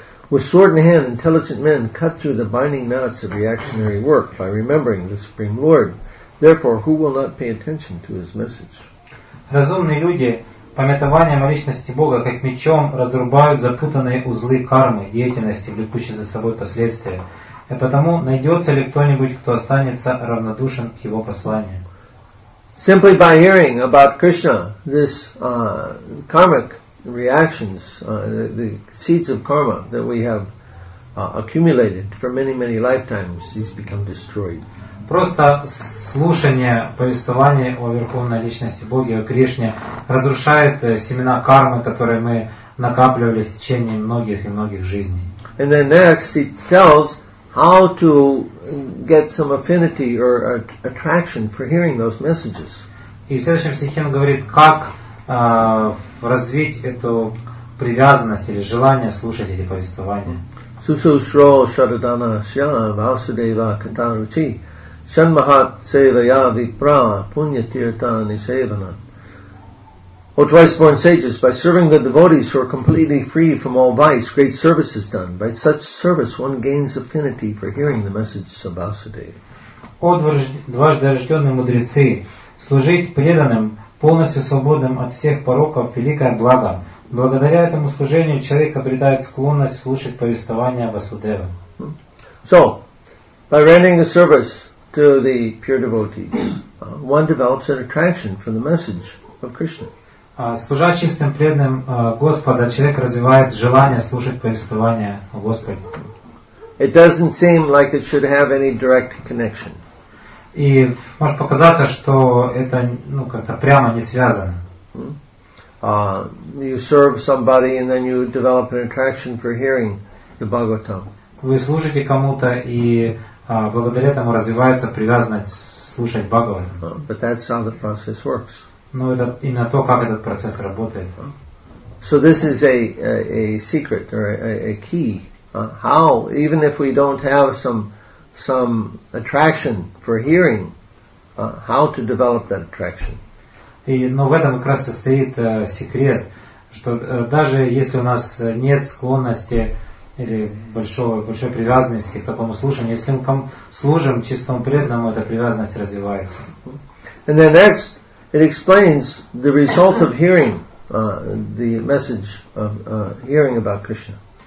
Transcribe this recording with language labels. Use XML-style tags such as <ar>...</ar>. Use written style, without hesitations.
<en>With sword in hand, intelligent men cut through the binding knots of reactionary work by remembering the Supreme Lord. Therefore, who will not pay attention to His message?</en> <ru>Разумные люди памятованием о личности Бога как мечом разрубают запутанные узлы кармы, деятельности, влекущие за собой последствия. И потому найдется ли кто-нибудь, кто останется равнодушен к Его посланию?</ru> <en>Simply by hearing about Krishna, this karmic reactions, the seeds of karma that we have accumulated for many, many lifetimes, these become destroyed.</en> <ru>Просто слушание повествования о Верховной Личности Бога, о Кришне, разрушает семена кармы, которые мы накапливали в течение многих и многих жизней.</ru> <en>And then next, it tells how to get some affinity or attraction for hearing those messages.</en> <ru>И в следующем стихе он говорит, как развить эту привязанность или желание слушать эти повествования.</ru> <sa>Сусушро шарадана ся васудева катаручи шанмахат севая випра пуньятирта нисевана.</sa> <en>O twice-born sages, by serving the devotees who are completely free from all vice, great service is done. By such service one gains affinity for hearing the messages of Vasudeva.</en> <ru>О дважды рожденные мудрецы, служить преданным, полностью свободным от всех пороков, великое благо. Благодаря этому служению человек обретает склонность слушать повествования Васудевы.</ru> <en>So, by rendering a service to the pure devotees, one develops an attraction for the message of Krishna.</en> <ru>Служа чистым преданным Господа, человек развивает желание слушать повествования о Господе.</ru> <en>It doesn't seem like it should have any direct connection.</en> <ru>И может показаться, что это ну, как-то прямо не связано.</ru> <en>You serve somebody and then you develop an attraction for hearing the Bhagavatam.</en> <ru>Вы служите кому-то и благодаря этому развивается привязанность слушать Бхагаватам.</ru> <en>But that's how the process works.</en> <ru>Но это именно то, как этот процесс работает.</ru> <en>So this is a secret or a key. How, even if we don't have some attraction for hearing, how to develop that attraction.</en> <ru>Но в этом как раз состоит секрет, что даже если у нас нет склонности или большой привязанности к такому слушанию, если мы служим чистому преданному, эта привязанность развивается.</ru> <en>And then next, it explains the result of hearing the message of hearing about Krishna.</en>